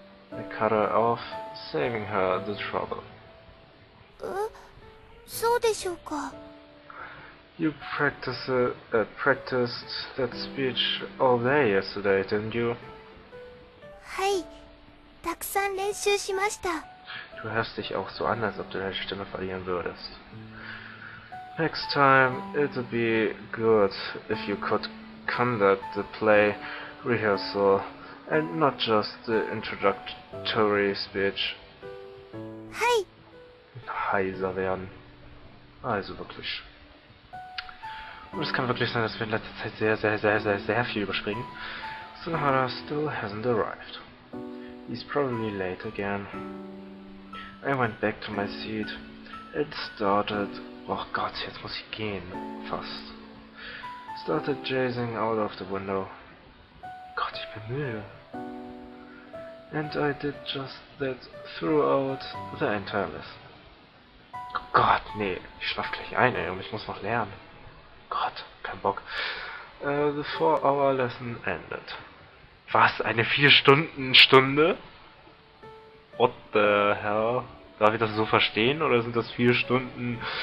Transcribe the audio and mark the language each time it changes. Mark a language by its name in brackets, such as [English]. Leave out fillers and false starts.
[English] I cut her off, saving her the trouble. [Japanese] そうでしょうか? [English] You practiced that speech all day yesterday, didn't you? [Japanese] はい、たくさん練習しました。 [German] Du hörst dich auch so an, als ob du deine Stimme verlieren würdest. [English] Next time, it'd be good if you could conduct the play rehearsal and not just the introductory speech. Hi. [German] Heiser werden. Also wirklich. Und es kann wirklich sein, dass wir in letzter Zeit sehr, sehr, sehr, sehr, sehr viel überspringen. [English] Sunohara still hasn't arrived. He's probably late again. I went back to my seat and started... [German] Oh Gott, jetzt muss ich gehen. Fast. [English] Started gazing out of the window. [German] Gott, ich bin müde. [English] And I did just that throughout the entire lesson. [German] Gott, nee. Ich schlaf gleich ein, ey, und ich muss noch lernen. Gott, kein Bock. [English] The 4-hour lesson ended. [German] Was, eine 4-Stunden-Stunde? [English] What the hell? [German] Darf ich das so verstehen, oder sind das 4 Stunden...